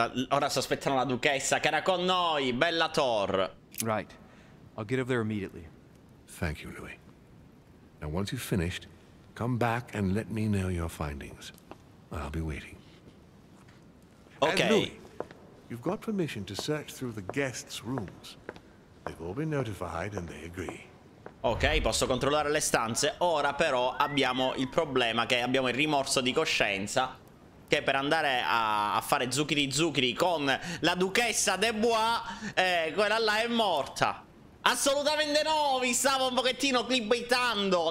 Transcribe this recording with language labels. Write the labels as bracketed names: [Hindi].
[Italian] Ora sospettano la duchessa che era con noi, bella Tor. [English] Right. I'll get over there immediately. Thank you, Louis. Now, once you've finished, come back and let me know your findings. I'll be waiting. Okay. And Louis, you've got permission to search through the guests' rooms. They've all been notified and they agree. [Italian] Ok, posso controllare le stanze. Ora però abbiamo il problema che abbiamo il rimorso di coscienza che per andare a fare zucchiri zucchiri con la duchessa de Bois, quella là è morta. Assolutamente no, vi stavo un pochettino clickbaitando.